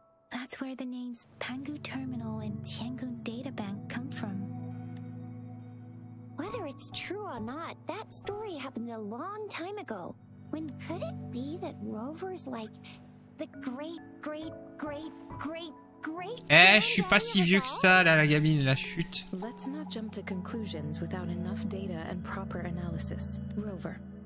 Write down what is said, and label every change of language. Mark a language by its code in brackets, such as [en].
[en] That's where the names Pangu Terminal and Tiankun Databank come from. Whether it's true or not, that story happened a long time ago. When could it be that Rover's like the great, great, great, great, [fr] Je suis pas si vieux que ça, là, la gamine, la chute. [en] Let's not jump to conclusions without enough data and proper analysis. Rover.